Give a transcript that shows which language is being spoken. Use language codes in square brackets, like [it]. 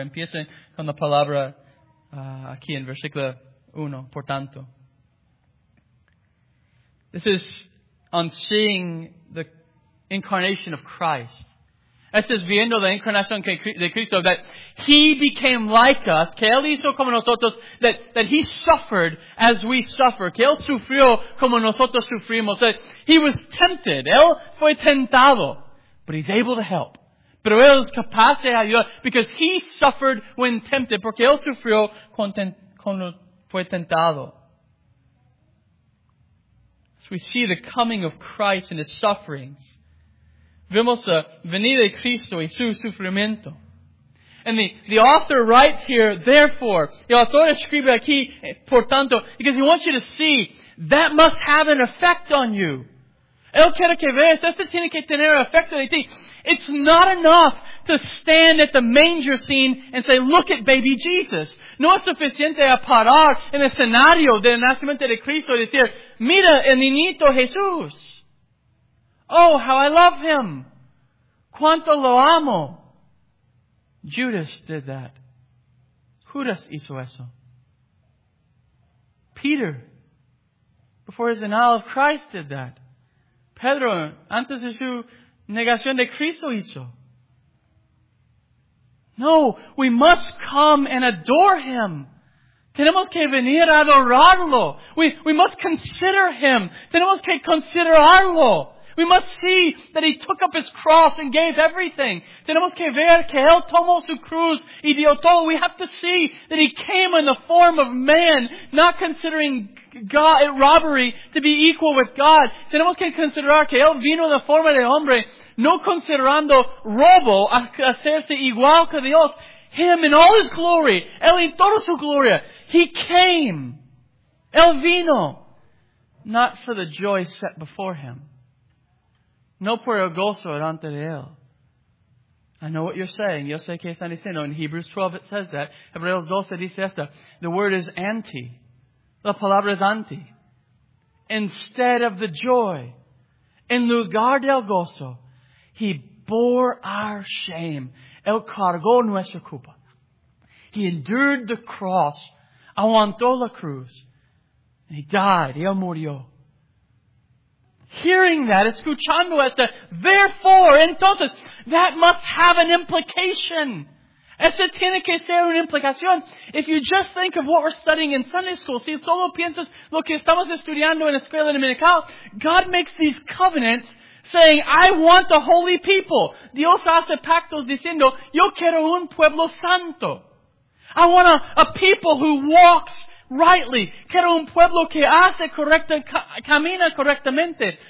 [es] Empieza con la palabra aquí en versículo 1. Por tanto. [en] This is on seeing the incarnation of Christ. [es] Esto es viendo la incarnación de Cristo, [en] that He became like us, [es] que Él hizo como nosotros, [en] that He suffered as we suffer, [es] que Él sufrió como nosotros sufrimos, [en] that He was tempted, [es] Él fue tentado, [en] but He's able to help. [es] Pero Él es capaz de ayudar, [en] because He suffered when tempted, [es] porque Él sufrió cuando fue tentado. [en] So we see the coming of Christ and His sufferings. [es] Vemos la venida de Cristo y su sufrimiento. [en] And the author writes here, therefore, [es] el autor escribe aquí, por tanto, [en] because he wants you to see that must have an effect on you. [es] Él quiere que veas, esto tiene que tener efecto en ti. [en] It's not enough to stand at the manger scene and say, look at baby Jesus. [es] No es suficiente a parar en el escenario del nacimiento de Cristo y decir, mira el niñito Jesús. [en] Oh, how I love him. [es] Cuánto lo amo. [en] Judas did that. [es] Judas hizo eso. [en] Peter, before his denial of Christ, did that. [es] Pedro, antes de su negación de Cristo, hizo. [en] No, we must come and adore Him. [es] Tenemos que venir a adorarlo. [en] We must consider Him. [es] Tenemos que considerarlo. [en] We must see that He took up His cross and gave everything. [es] Tenemos que ver que Él tomó su cruz y dio todo. [en] We have to see that He came in the form of man, not considering God robbery to be equal with God. [es] Tenemos que considerar que Él vino en la forma de hombre, no considerando robo a hacerse igual que Dios. [en] Him in all His glory, [es] Él en toda su gloria. [en] He came. [es] Él vino. [en] Not for the joy set before Him. [es] No por el gozo delante de Él. [en] I know what you're saying. [es] Yo sé que están diciendo. [en] In Hebrews 12 it says that. [es] Hebreos 12 dice esta. [en] The word is anti. [es] La palabra es anti. [en] Instead of the joy. [es] En lugar del gozo. [en] He bore our shame. [es] Él cargó nuestra culpa. [en] He endured the cross. [es] Aguantó la cruz. [en] And he died. [es] Él murió. [en] Hearing that, [es] escuchando esto, [en] therefore, [es] entonces, [en] that must have an implication. [es] Eso tiene que ser una implicación. [en] If you just think of what we're studying in Sunday school, [es] si solo piensas lo que estamos estudiando en escuela dominical, [en] God makes these covenants saying, I want a holy people. [es] Dios hace pactos diciendo, yo quiero un pueblo santo. [en] I want a people who walks rightly. [es] Quiero un pueblo que hace correcta, camina correctamente.